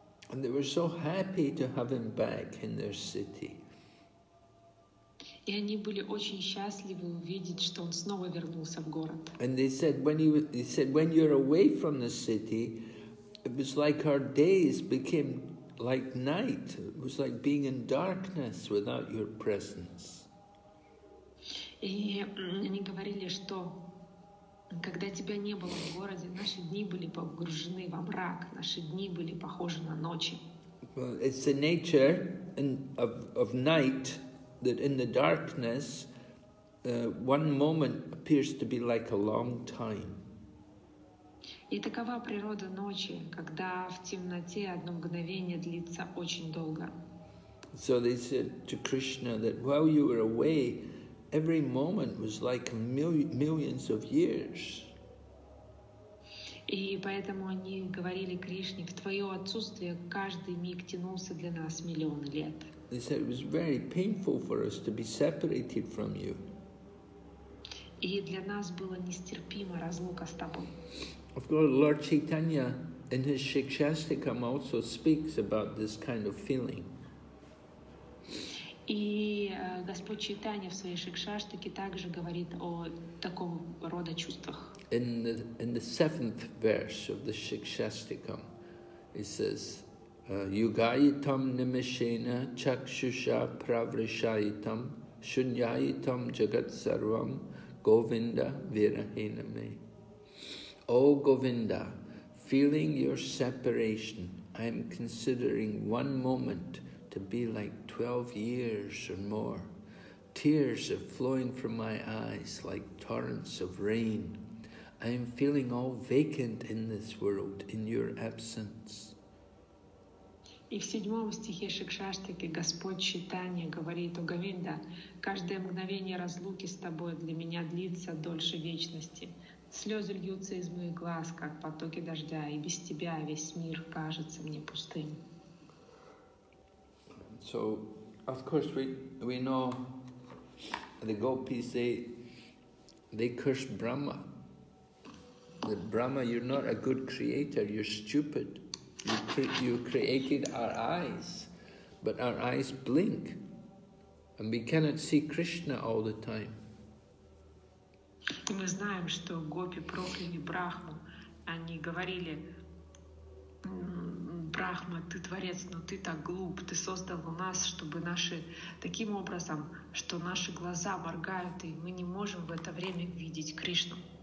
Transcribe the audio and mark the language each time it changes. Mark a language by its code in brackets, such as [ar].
[en] And they were so happy to have him back in their city. [ru] И они были очень счастливы увидеть, что он снова вернулся в город. [en] And they said, when you're away from the city, it was like our days became like night. It was like being in darkness without your presence. [ru] И они говорили, что когда тебя не было в городе, наши дни были погружены во мрак, наши дни были похожи на ночи. [en] Well, it's the nature of night, that in the darkness, one moment appears to be like a long time. [ru] И такова природа ночи, когда в темноте одно мгновение длится очень долго. [en] So they said to Krishna that while you were away, every moment was like millions of years. [ru] И поэтому они говорили Кришне, в твое отсутствие каждый миг тянулся для нас миллионы лет. [en] They said it was very painful for us to be separated from you. [ru] И для нас было нестерпимо разлука с тобой. [en] Of course, Lord Chaitanya in his Shikshastikam also speaks about this kind of feeling. [ru] И Господь Чайтанья в своей Шикшаштике также говорит о таком рода чувствах. [en] In the seventh verse of the Shikshastikam, it says, [sa] Yugayitam nimishena chakshusha pravrishayitam shunyayitam jagatsarvam govinda virahiname. [en] O Govinda, feeling your separation, I am considering one moment to be like 12 years or more. Tears are flowing from my eyes like torrents of rain. I am feeling all vacant in this world in your absence. [ru] И в седьмом стихе Шикшаштики Господь Чайтанья говорит о Говинда, каждое мгновение разлуки с тобой для меня длится дольше вечности. Слезы льются из моих глаз, как потоки дождя, и без тебя весь мир кажется мне пустым. [en] So, of course, we know the gopis, they curse Brahma. That Brahma, you're not a good creator, you're stupid. You created our eyes, but our eyes blink, and we cannot see Krishna all the time. [ru] И мы знаем, что гопи прокляли Брахму. Они говорили, Брахма, ты творец, но ты так глуп, ты создал у нас, чтобы наши таким образом, что наши глаза моргают, и мы не можем в это время видеть Кришну.